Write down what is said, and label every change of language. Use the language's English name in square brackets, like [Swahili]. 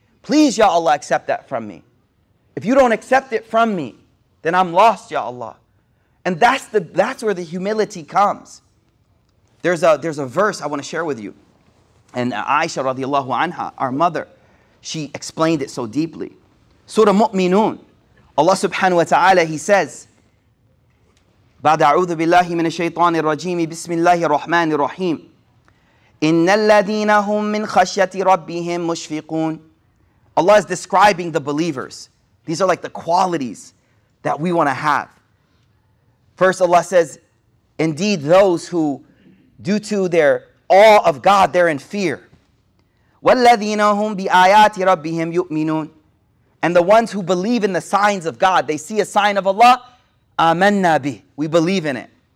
[English] Please ya Allah, accept that from me. If you don't accept it from me, then I'm lost, ya Allah. And that's where the humility comes. There's a verse I want to share with you. And Aisha radiallahu anha, our mother, she explained it so deeply. Surah Mu'minun, Allah subhanahu wa ta'ala, he says, [Arabic] بعد أعوذ بالله من الشيطان الرجيم بسم الله الرحمن الرحيم إن الذين هم من خشية ربهم مشفقون. [English] Allah is describing the believers. These are like the qualities that we want to have. First, Allah says, indeed, those who, due to their awe of God, they're in fear. [Arabic] وَالَّذِينَ هُمْ بِآيَاتِ رَبِّهِمْ يُؤْمِنُونَ. [English] And the ones who believe in the signs of God, they see a sign of Allah, [Arabic] آمَنَّا بِهِ. [English] We believe in it.